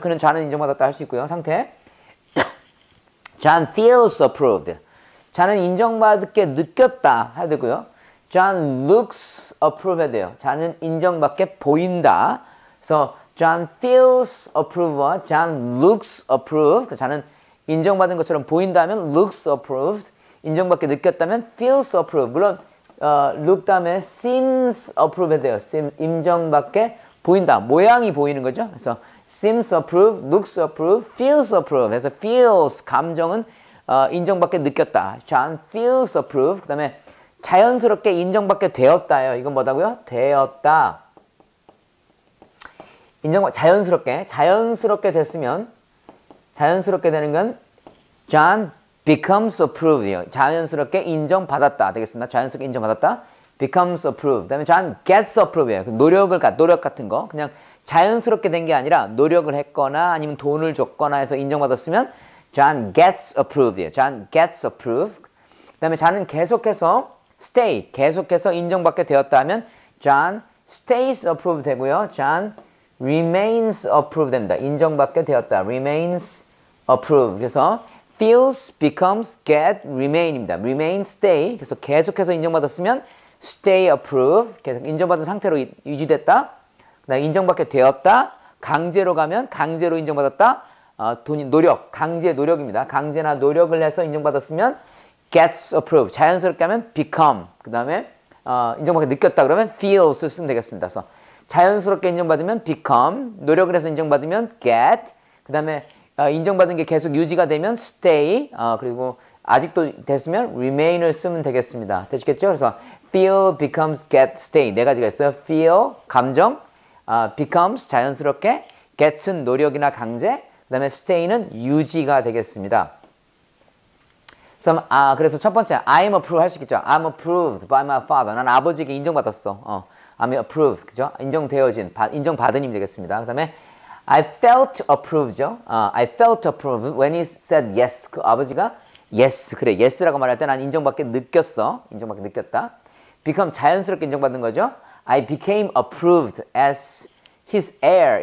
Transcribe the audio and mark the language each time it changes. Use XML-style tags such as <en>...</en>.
<ko>그는 John은 인정받았다 할 수 있고요.</ko> <en>상태. John feels approved.</en> <ko>John은 인정받게 느꼈다 해야 되고요.</ko> <en>John looks approved</en> <ko>해야 돼요. John은 인정받게 보인다.</ko> <en>So John feels approved와 John looks approved.</en> <ko>John은 인정받은 것처럼 보인다면</ko> <en>looks approved.</en> <ko>인정받게 느꼈다면</ko> <en>feels approved.</en> <ko>물론 look 다음에</ko> <en>seems approved</en> <ko>해야 돼요. Seems 인정받게 보인다. 모양이 보이는 거죠.</ko> <en>그래서 seems approved, looks approved, feels approved.</en> <ko>그래서 feels 감정은 인정받게 느꼈다.</ko> <en>John feels approved.</en> <ko>그 다음에 자연스럽게 인정받게 되었다요. 이건 뭐다고요? 되었다. 인정 자연스럽게 됐으면 자연스럽게 되는 건</ko> <en>John becomes approved</en> <ko>요. 자연스럽게 인정받았다 되겠습니다. 자연스럽게 인정받았다.</ko> <en>becomes approved. 그다음에 John gets approved예요.</en> <ko>노력을 노력 같은 거 그냥 자연스럽게 된 게 아니라 노력을 했거나 아니면 돈을 줬거나 해서 인정받았으면</ko> <en>John gets approved</en> <ko>예요.</ko> <en>John gets approved.</en> <ko>그다음에 John은 계속해서 stay 계속해서 인정받게 되었다면</ko> <en>John stays approved 되고요. John remains approved 됩니다.</en> <ko>인정받게 되었다. remains approved.</ko> <en>그래서 feels, becomes, get, remain입니다. remain, stay.</en> <ko>그래서 계속해서 인정받았으면 stay approved. 계속 인정받은 상태로 유지됐다. 그다음 인정받게 되었다. 강제로 가면 강제로 인정받았다. 돈이 노력 강제 노력입니다. 강제나 노력을 해서 인정받았으면 gets approved. 자연스럽게 하면 become. 그 다음에 인정받게 느꼈다 그러면 feels 쓰면 되겠습니다. 그래서 자연스럽게 인정받으면 become. 노력을 해서 인정받으면 get. 그 다음에 인정받은 게 계속 유지가 되면 stay. 그리고 아직도 됐으면 remain을 쓰면 되겠습니다. 되시겠죠?</ko> <en>그래서 feel, becomes, get, stay.</en> <ko>네 가지가 있어요. feel, 감정, becomes, 자연스럽게, get은 노력이나 강제, 그 다음에 stay는 유지가 되겠습니다. 그래서 첫 번째, I'm approved 할 수 있겠죠.</ko> <en>I'm approved by my father.</en> <ko>난 아버지에게 인정받았어.</ko> <en>I'm approved. 그죠?</en> <ko>인정되어진, 인정받은이 되겠습니다. 그 다음에,</ko> <en>I felt approved</en> <ko>죠.</ko> <en>I felt approved when he said yes.</en> <ko>그 아버지가 yes. 그래, yes라고 말할 때 난 인정받게 느꼈어. 인정받게 느꼈다. become 자연스럽게 인정받는 거죠.</ko> <en>I became approved as his heir.</en>